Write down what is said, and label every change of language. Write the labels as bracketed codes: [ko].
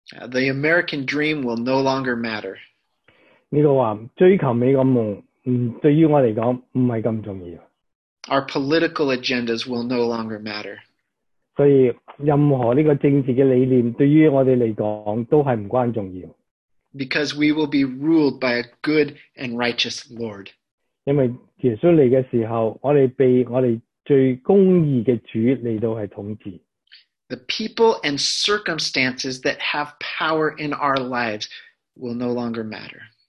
[en] The American dream will no longer matter. [zh] 这个说追求美国梦对于我来说不是那么重要。 [en] Our political agendas will no longer matter. [zh] 所以任何这个政治的理念对于我们来说都是不关重要。 [en] Because we will be ruled by a good and righteous Lord. [zh] 因为耶稣来的时候, 我们被我们最公义的主来到统治。 [en] The people and circumstances that have power in our lives will no longer matter.